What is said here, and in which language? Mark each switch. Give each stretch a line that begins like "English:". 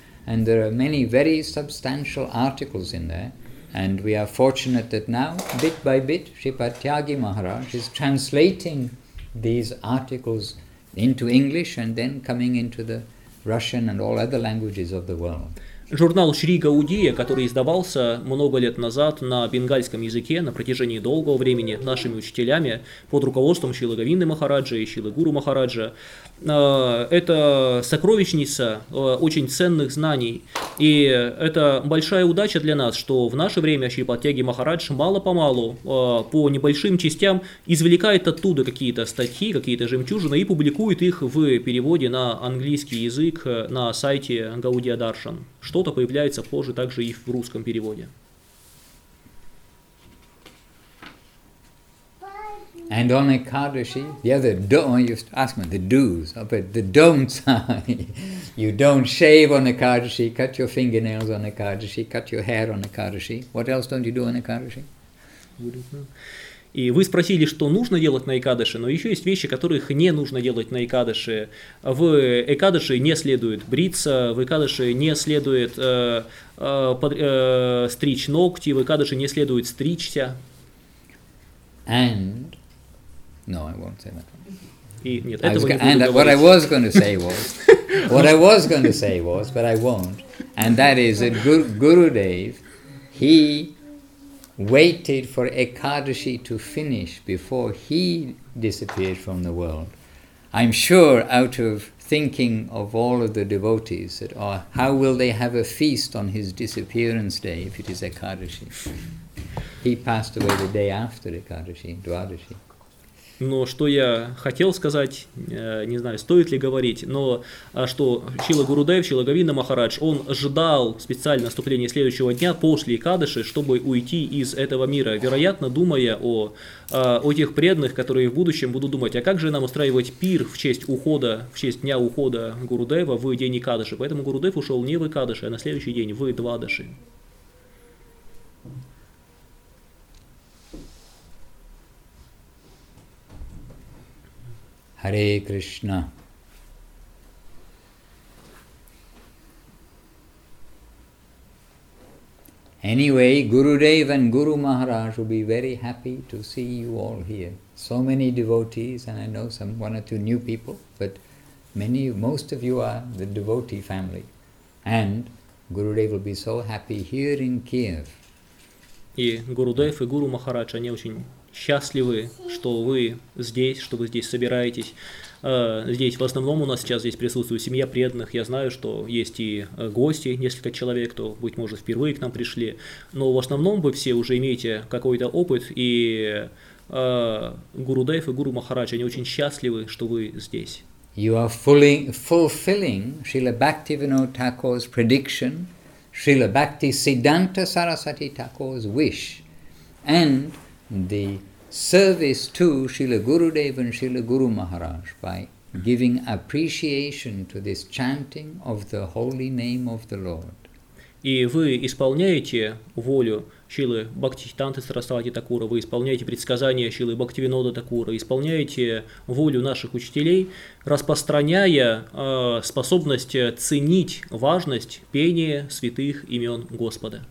English: And there are many very substantial articles in there. And we are fortunate that now, bit by bit, Shripad Tyagi Maharaj is translating these articles into English and then coming into the Russian and all other languages of the world.
Russian: Журнал «Шри Гаудия», который издавался много лет назад на бенгальском языке на протяжении долгого времени нашими учителями под руководством Шрилы Говинды Махараджа и Шрилы Гуру Махараджа, это сокровищница очень ценных знаний. И это большая удача для нас, что в наше время Шрипад Тяги Махарадж мало-помалу по небольшим частям извлекает оттуда какие-то статьи, какие-то жемчужины и публикует их в переводе на английский язык на сайте Gaudiya Darshan. Что-то появляется позже также и в русском переводе.
English: And on Ekadashi, the other don't, you ask me the do's, but the don'ts are, you don't shave on Ekadashi, cut your fingernails on Ekadashi, cut your hair on Ekadashi. What else don't you do on Ekadashi?
Russian: И вы спросили, что нужно делать на Экадаши, но еще есть вещи, которых не нужно делать на Экадаши. В Экадаши не следует бриться, в Экадаши не следует стричь ногти, в Экадаши не следует стричься.
English: And no, I won't say that.
Russian: И нет, этого не говорить.
English: And what I was going to say was, but I won't. And that is that Gurudev, he waited for Ekadashi to finish before he disappeared from the world. I'm sure out of thinking of all of the devotees that are, how will they have a feast on his disappearance day if it is Ekadashi? He passed away the day after Ekadashi, Dwadashi.
Russian: Но что я хотел сказать, не знаю, стоит ли говорить, но что Шрила Гурудев, Шрила Говинда Махарадж, он ждал специально наступления следующего дня после Экадаши, чтобы уйти из этого мира, вероятно, думая о тех преданных, которые в будущем будут думать, а как же нам устраивать пир в честь ухода, в честь дня ухода Гурудева в день Экадаши. Поэтому Гурудев ушел не в Экадаши, а на следующий день в Двадаши.
English: Hare Krishna. Anyway, Gurudev and Guru Maharaj will be very happy to see you all here. So many devotees, and I know some one or two new people, but most of you are the devotee family. And Gurudev will be so happy here in Kiev.
Russian: И Гурудев, и Гуру Махарадж, они очень счастливы, что вы здесь, что вы здесь собираетесь. Здесь в основном у нас сейчас здесь присутствует семья преданных. Я знаю, что есть и гости, несколько человек, кто, быть может, впервые к нам пришли. Но в основном вы все уже имеете какой-то опыт, и Гурудев и Гуру Махарадж, они очень счастливы, что вы здесь.
English: You are fulfilling Srila Bhaktivinoda Thakur's prediction. Srila Bhakti Siddhanta Sarasvati Thakur's wish and the service to Srila Gurudev and Srila Guru Maharaj by giving appreciation to this chanting of the holy name of the Lord.
Russian: И вы исполняете волю Шилы Бхактисиддханты Сарасвати Такура, вы исполняете предсказания Шилы Бхактивинода Такура, исполняете волю наших учителей, распространяя способность ценить важность пения святых имен Господа.